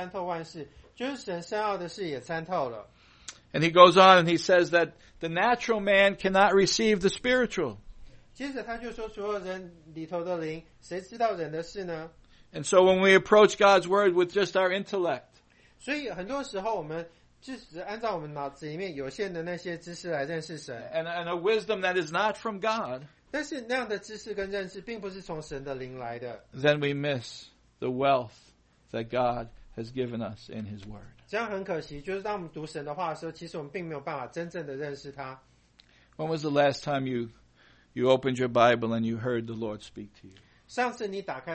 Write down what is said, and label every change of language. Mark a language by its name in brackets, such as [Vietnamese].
[Chinese] 就是神借着圣灵向我们显明了, [English] and he goes on and he says that the natural man cannot receive the spiritual. [Chinese] 接着他就说除了人里头的灵谁知道人的事呢? [English] And so when we approach God's word with just our intellect, [Chinese] 所以很多时候我们就是按照我们脑子里面有限的那些知识来认识神, [English] and a wisdom that is not from God, [Chinese] 但是那样的知识跟认识并不是从神的灵来的, [English] then we miss the wealth that God has given us in his word. [Chinese] 这样很可惜,就是当我们读神的话的时候,其实我们并没有办法真正的认识他。 [English] When was the last time you opened your Bible and you heard the Lord speak to you?